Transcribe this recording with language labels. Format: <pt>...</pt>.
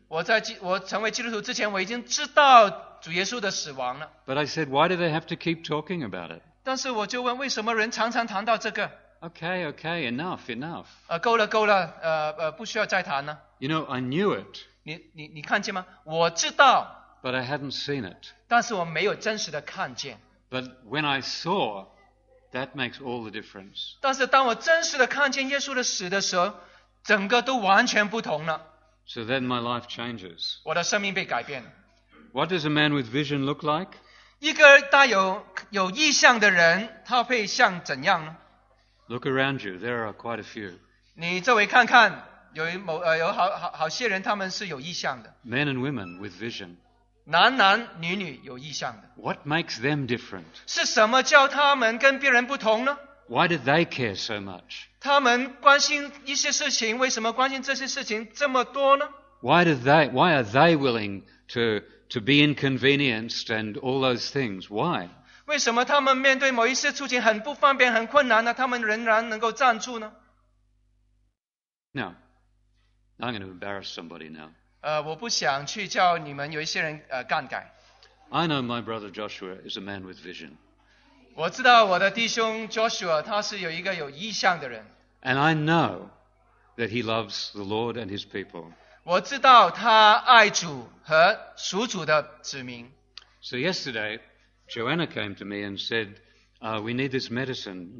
<zh>我成为基督徒之前，我已经知道主耶稣的死亡了。</zh> <en>But I said, why do they have to keep talking about it?</en> <zh>但是我就问，为什么人常常谈到这个？</zh> <en>Okay, enough.</en> <zh>够了，不需要再谈了。</zh> <en>You know, I knew it.</en> <zh>你看见吗？我知道。</zh> <en>But I hadn't seen it.</en> <zh>但是我没有真实的看见。</zh> <en>But when I saw,That makes all the difference.</en> <zh>但是当我真实的看见耶稣的死的时候，整个都完全不同了。</zh> <en>So then my life changes.</en> <zh>我的生命被改变了。</zh> <en>What does a man with vision look like?</en> <zh>一个带有异象的人，他会像怎样呢？</zh> <en>Look around you. There are quite a few.</en> <zh>你周围看看，有好些人，他们是有异象的。</zh> <en>Men and women with vision.</en> <zh>男男女女有异象的。</zh> <en>What makes them different?</en> <zh>是什么叫他们跟别人不同呢？</zh> <en>Why do they care so much?</en> <zh>他们关心一些事情，为什么关心这些事情这么多呢？</zh> <en>Why are they willing to be inconvenienced and all those things? Why?</en> <zh>为什么他们面对某一些事情很不方便、很困难呢？他们仍然能够站住呢？</zh> <en>Now, I'm going to embarrass somebody now.</en> <zh>我不想去叫你们有一些人杠杆。</zh> <en>I know my brother Joshua is a man with vision.</en> <zh>我知道我的弟兄 Joshua 他是有一个有异象的人。</zh> <en>And I know that he loves the Lord and his people.</en> <zh>我知道他爱主和属主的子民。</zh> <en>So yesterday, Joanna came to me and said, we need this medicine.</en>